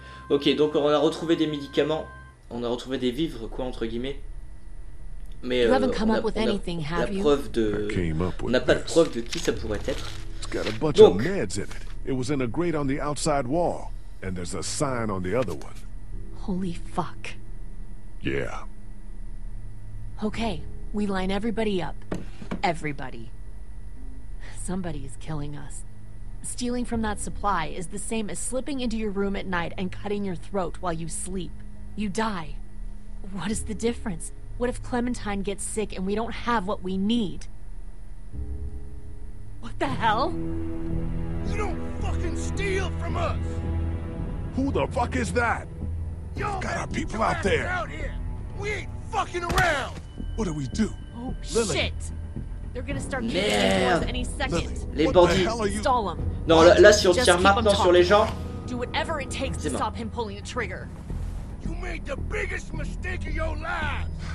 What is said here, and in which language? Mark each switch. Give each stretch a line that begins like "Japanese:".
French: Ok, donc on a retrouvé des médicaments. On a retrouvé des vivres, quoi, entre guillemets. Mais on n'a pas de preuve de qui ça pourrait être.
English: It's got a bunch of meds in it. It was in a grate on the outside wall. And there's a sign on the other one. Holy fuck. Yeah. Okay, we line everybody up. Everybody. Somebody is killing us. Stealing from that supply is the same as slipping into your room at night and cutting your throat while you sleep. You die. What is the difference? What if Clementine gets sick and we don't have what we need? What the hell? You don't fucking steal from us! Who the fuck is that? Y'all we've got our people out there! We ain't fucking around! What do we do? Oh, Lily. Shit! They're gonna start killing us any second. Lily,
French: les bandits,
English: stall them.
French: Non, là, là si on tire maintenant sur les gens.
English: Do whatever it takes to stop him pulling the trigger. You made the biggest mistake of your life!